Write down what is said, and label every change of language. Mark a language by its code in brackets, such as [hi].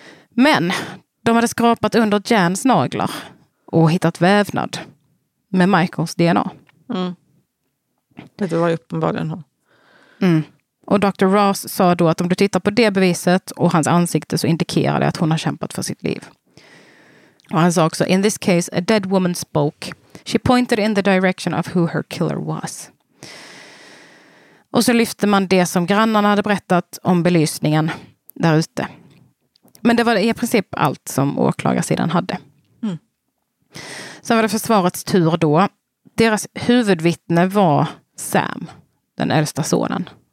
[sv] Men de hade skrapat under Jans naglar och hittat vävnad med Michaels DNA. Mm. Det var ju uppenbarligen hon. Mm. Och Dr. Ross sa då att om du tittar på det beviset och hans ansikte så indikerar det att hon har kämpat för sitt liv. Och han sa också, [en] in this case, a dead woman spoke. She pointed in the direction of who her killer was. [sv] Och så lyfte man det som grannarna hade berättat om belysningen där ute. Men det var i princip allt som åklagarsidan hade. Mm. Sen var det försvarets tur då. Deras huvudvittne var Sam, den äldsta sonen.